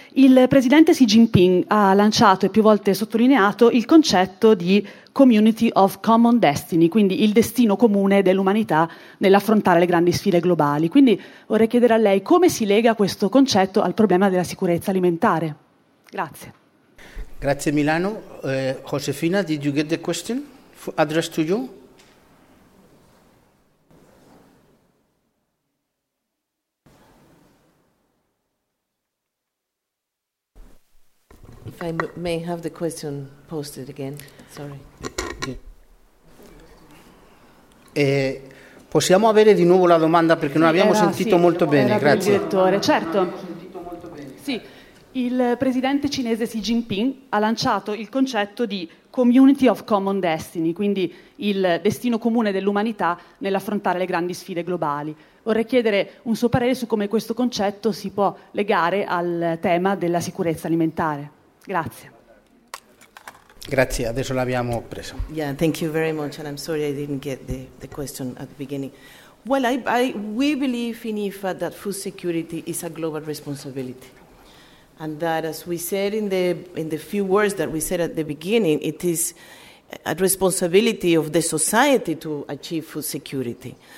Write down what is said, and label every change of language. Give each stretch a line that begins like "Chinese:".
Italian: Il presidente Xi Jinping ha lanciato e più volte sottolineato il concetto di community of common destiny, quindi il destino comune dell'umanità nell'affrontare le grandi sfide globali. Quindi vorrei chiedere a lei come si lega questo concetto al problema della sicurezza alimentare. Grazie. Grazie Milano.
English: Josefina, did you get the question addressed to you? If I may have the question posted again, sorry. Yeah.
Italian: Possiamo avere di nuovo la domanda perché non abbiamo sentito molto bene, grazie. Direttore, certo. Sì, il presidente cinese Xi Jinping ha lanciato il concetto di Community of Common Destiny, quindi il destino comune dell'umanità nell'affrontare le grandi sfide globali. Vorrei chiedere un suo parere su come questo concetto si può legare al tema della sicurezza alimentare. Grazie. Grazie, adesso l'abbiamo preso.
English: Yeah, thank you very much, and I'm sorry I didn't get the question at the beginning. Well, we believe in IFA that food security is a global responsibility. And that, as we said in the few words that we said at the beginning, it is a responsibility of the society to achieve food security.